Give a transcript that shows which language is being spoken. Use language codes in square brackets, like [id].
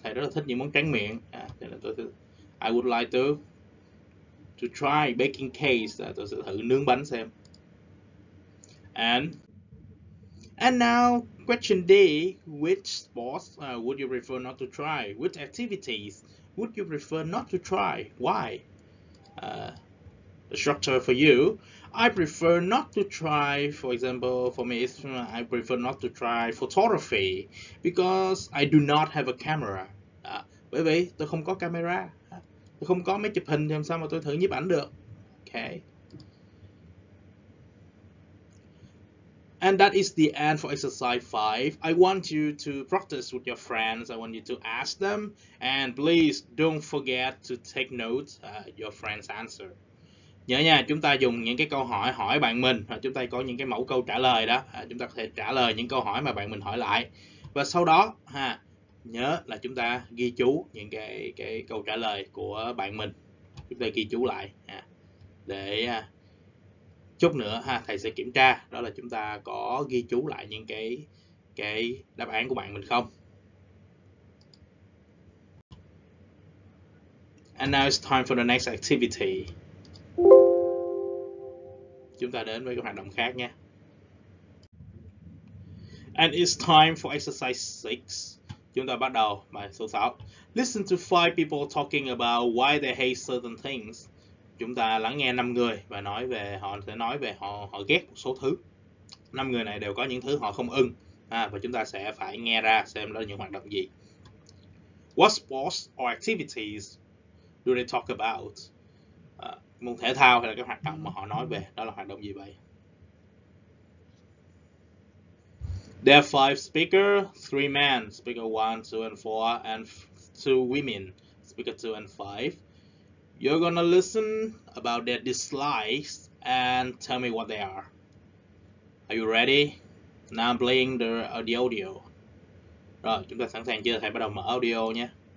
[vi] Thầy rất là thích những món tráng miệng. Thế là tôi thích. [en] I would like to try baking cakes. [vi] Tôi sẽ thử nướng bánh xem. [en] And now, question D. Which sports would you prefer not to try? Which activities would you prefer not to try? Why? The structure for you. I prefer not to try, for example, for me, I prefer not to try photography because I do not have a camera. [vi] Bởi vì tôi không có camera. Tôi không có máy chụp hình thì làm sao mà tôi thử nhiếp ảnh được. [en] Okay. And that is the end for exercise 5. I want you to practice with your friends. I want you to ask them. And please don't forget to take note your friend's answer. [vi] Nhớ nha, chúng ta dùng những cái câu hỏi hỏi bạn mình. Chúng ta có những cái mẫu câu trả lời đó. Chúng ta có thể trả lời những câu hỏi mà bạn mình hỏi lại. Và sau đó, nhớ là chúng ta ghi chú những cái câu trả lời của bạn mình. Chúng ta ghi chú lại. Để chút nữa thầy sẽ kiểm tra. Đó là chúng ta có ghi chú lại những cái đáp án của bạn mình không. [en] And now it's time for the next activity. [vi] Chúng ta đến với cái hoạt động khác nha. [en] And it's time for exercise 6. [vi] Chúng ta bắt đầu bài số 6. [en] Listen to 5 people talking about why they hate certain things. [vi] Chúng ta lắng nghe 5 người và nói về họ sẽ nói về họ họ ghét một số thứ. 5 người này đều có những thứ họ không ưng và chúng ta sẽ phải nghe ra xem đó là những hoạt động gì. [en] What sports or activities do they talk about? [vi] Môn thể thao hay là cái hoạt động mà họ nói về, đó là hoạt động gì vậy? [en] There are 5 speakers, 3 men, speaker 1, 2 and 4, and 2 women, speaker 2 and 5. You're gonna listen about their dislikes and tell me what they are. Are you ready? Now I'm playing the audio. [vi] Rồi, chúng ta sẵn sàng chưa? Thầy bắt đầu mở audio nhé.